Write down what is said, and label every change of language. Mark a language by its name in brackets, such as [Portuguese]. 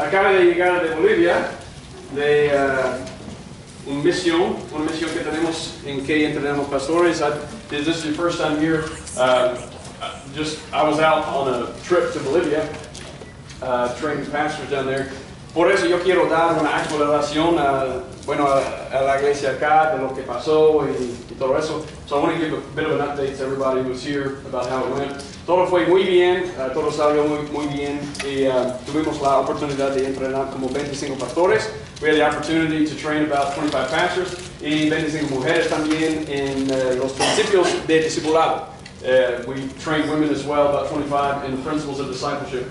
[Spanish] Acabe de llegar de Bolivia, de una misión que tenemos en que entrenamos pastores. [English] This is the first time here. I was out on a trip to Bolivia, training pastors down there. [Spanish] Por eso yo quiero dar una actualización a la iglesia acá de lo que pasó y todo eso. [English] So I want to give a bit of an update to everybody who was here about how it went. [Spanish] Todo fue muy bien, todo salió muy bien y tuvimos la oportunidad de entrenar como 25 pastores. [English] We had the opportunity to train about 25 pastors [Spanish] y 25 mujeres también en los principios de discipulado. [English] We trained women as well, about 25, in the principles of discipleship.